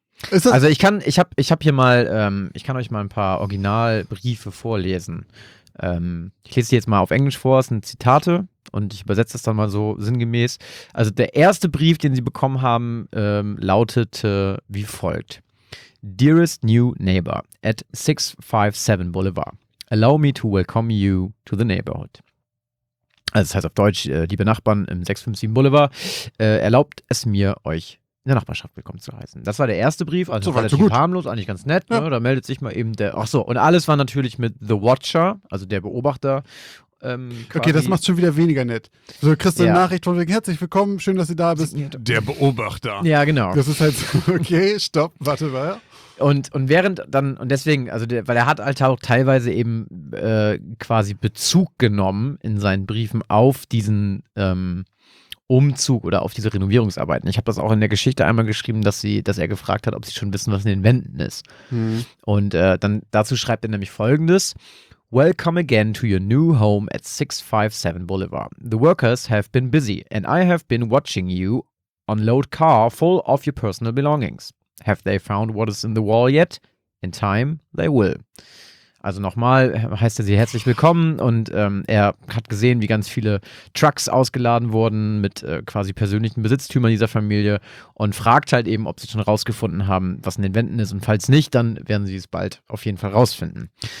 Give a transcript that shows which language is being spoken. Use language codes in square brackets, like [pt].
[de] Also ich habe hier mal, ich kann euch mal ein paar Originalbriefe vorlesen. Ich lese die jetzt mal auf Englisch vor, es sind Zitate und ich übersetze das dann mal so sinngemäß. Also der erste Brief, den sie bekommen haben, lautete wie folgt. [en] Dearest new neighbor at 657 Boulevard, allow me to welcome you to the neighborhood. [de] Also das heißt auf Deutsch, liebe Nachbarn im 657 Boulevard, erlaubt es mir, euch in der Nachbarschaft willkommen zu heißen. Das war der erste Brief, also so relativ harmlos, eigentlich ganz nett. Ja. Ne? Da meldet sich mal eben der, ach so, und alles war natürlich mit The Watcher, also der Beobachter. Okay, das macht schon wieder weniger nett. So, kriegst du eine Nachricht von wegen, herzlich willkommen, schön, dass du da bist. Der Beobachter. Ja, genau. Das ist halt so, okay, stopp, warte mal. Und während dann, und deswegen, also der, weil er hat halt auch teilweise eben quasi Bezug genommen in seinen Briefen auf diesen Umzug oder auf diese Renovierungsarbeiten. Ich habe das auch in der Geschichte einmal geschrieben, dass er gefragt hat, ob sie schon wissen, was in den Wänden ist. Hm. Und dann dazu schreibt er nämlich Folgendes. [en] Welcome again to your new home at 657 Boulevard. The workers have been busy and I have been watching you unload car full of your personal belongings. Have they found what is in the wall yet? In time, they will. [de] Also nochmal heißt er sie herzlich willkommen und er hat gesehen, wie ganz viele Trucks ausgeladen wurden mit quasi persönlichen Besitztümern dieser Familie und fragt halt eben, ob sie schon rausgefunden haben, was in den Wänden ist und falls nicht, dann werden sie es bald auf jeden Fall rausfinden.